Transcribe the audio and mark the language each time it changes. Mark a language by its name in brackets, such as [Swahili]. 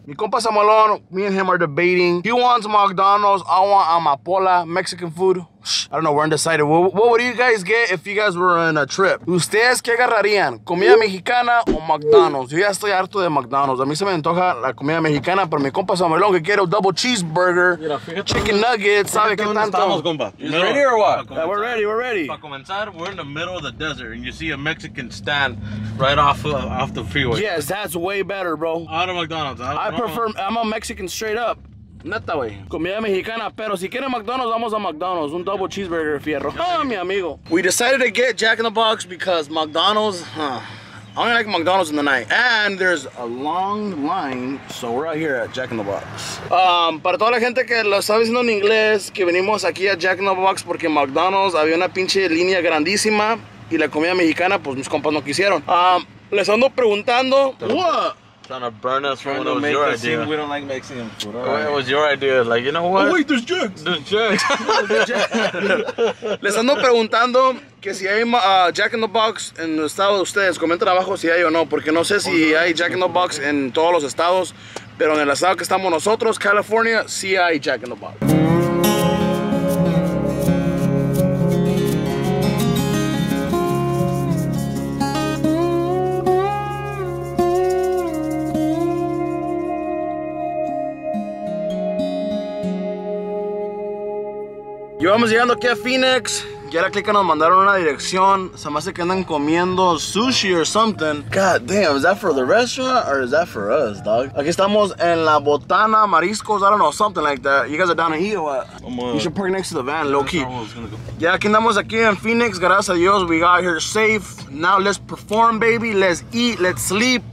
[Spanish] Mi compa Samalón, [English] me and him are debating. He wants McDonald's, I want amapola, Mexican food. Shh, I don't know, we're undecided. What would you guys get if you guys were on a trip? [Spanish] ¿Ustedes qué agarrarían? ¿Comida mexicana o McDonald's? Yo ya estoy harto de McDonald's. A mí se me antoja la comida mexicana, pero mi compa Samalón, que quiero double cheeseburger, mira, fíjate, [English] chicken nuggets, [Spanish] ¿sabe qué tanto? Estamos, compa. [English] Is it ready or what? Yeah, we're ready, we're ready. [Spanish] Para comenzar, [English] we're in the middle of the desert, and you see a Mexican stand right off the freeway. Yes, that's way better, bro. Out of McDonald's. I'm a Mexican straight up. [Spanish] Neta, wey. Comida mexicana, pero si quieren McDonald's, vamos a McDonald's. Un double cheeseburger fierro. Ah, mi amigo. [English] We decided to get Jack in the Box because McDonald's, I only like McDonald's in the night. And there's a long line, so we're out here at Jack in the Box. [Spanish] Para toda la gente que lo está diciendo en inglés, que venimos aquí a Jack in the Box porque McDonald's había una pinche línea grandísima y la comida mexicana, pues mis compas no quisieron. Les ando preguntando. [English] What? Trying to burn us from what was your idea. Scene. We don't like Mexican food. Right. It was your idea. Like, you know what? Oh, wait, there's jugs. There's jugs. [Spanish] Les ando preguntando que si hay Jack in the Box en los estados de ustedes. Comenten abajo si hay o no, porque no sé si hay Jack in the Box en todos los estados, pero en el estado que estamos nosotros, California, sí hay Jack in the Box. Llevamos llegando aquí a Phoenix. Ya la clica nos mandaron una dirección. Se me hace que andan comiendo sushi [English] or something. God damn, is that for the restaurant or is that for us, dog? [Spanish] Aquí estamos en la botana, mariscos, [English] I don't know, something like that. You guys are down to eat or what? You should park next to the van, low key. Yeah, [Spanish] aquí andamos aquí en Phoenix. Gracias a Dios, [English] we got here safe. Now let's perform, baby. Let's eat, let's sleep.